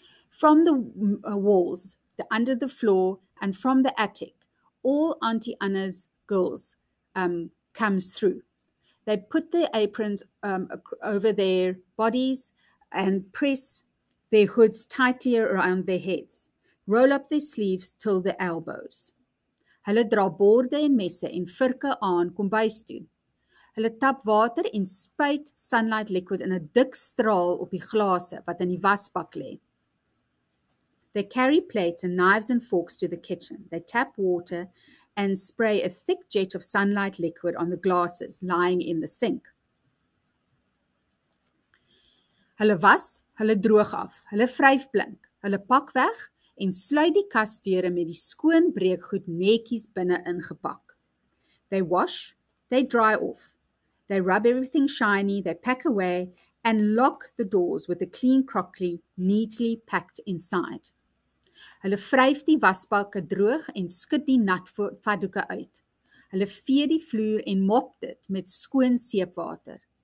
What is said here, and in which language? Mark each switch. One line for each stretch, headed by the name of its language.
English: From the walls, the under the floor, and from the attic, all Auntie Anna's girls comes through. They put their aprons over their bodies and press their hoods tightly around their heads, roll up their sleeves till the elbows.
Afrikaans: Hulle dra borde en messe en virke aan kombuis toe. Hulle tap water en spuit sunlight liquid in 'n dik straal op die glase wat in die wasbak lê.
English: They carry plates and knives and forks to the kitchen. They tap water and spray a thick jet of sunlight liquid on the glasses lying in the sink.
Afrikaans: Hulle was, hulle droog af, hulle vryf blink, hulle pak weg en sluit die kasdeure met die skoon breekgoed netjies binne ingepak.
English: They wash, they dry off. They rub everything shiny, they pack away and lock the doors with the clean crockery neatly packed inside.
Afrikaans: Hulle vryf die wasbakke droog en skud die nat vaddoeke uit. Hulle vee die vloer en mop dit met skoon seepwater.